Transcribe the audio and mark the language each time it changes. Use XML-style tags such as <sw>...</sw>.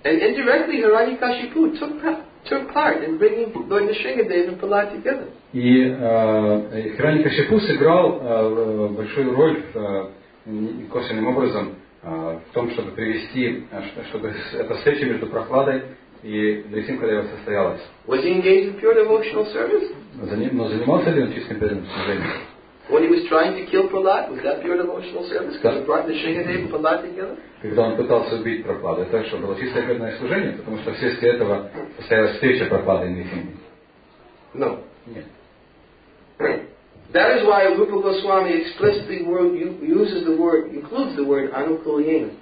<en>And indirectly Hiranyakashipu took part in bringing Lord Nrisimhadeva and Prahlad together.</en> <ru>И Hiranyakashipu сыграл большую роль косвенным образом в том, чтобы привести, чтобы эта встреча между Прохладой и Нрисимхадевой состоялась.</ru> <en>Was he engaged in pure devotional service?</en> <ru>Но занимался ли он чистым преданным служением?</ru> <en>When he was trying to kill Prahlad, was that pure devotional service? Because he brought Nrisimhadeva and Prahlad together?</en> <ru>Когда он пытался убить Прохлада, это что, было чистое преданное служение? Потому что вследствие этого состоялась встреча Прохлады и Нрисимхи.</ru> <en>No.</en> <ru>Нет.</ru> <en>That is why Rupa Goswami explicitly uses the word, includes the word anukulyena.</en>